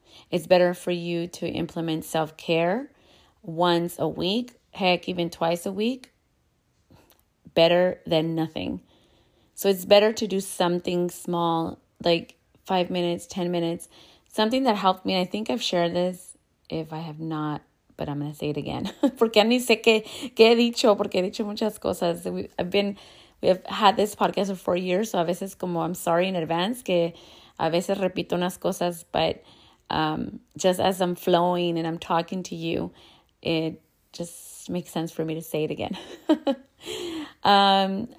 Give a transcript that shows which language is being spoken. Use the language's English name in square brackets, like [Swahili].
[English] It's better for you to implement self-care once a week, heck, even twice a week, better than nothing. So it's better to do something small, like 5 minutes, 10 minutes, something that helped me. I think I've shared this, if I have not, but I'm going to say it again. [Spanish] Porque ni sé qué he dicho, porque he dicho muchas cosas. [English] We have had this podcast for 4 years, so [Spanish] a veces como [English] I'm sorry in advance [Spanish] que a veces repito unas cosas, [English] but just as I'm flowing and I'm talking to you, it just makes sense for me to say it again.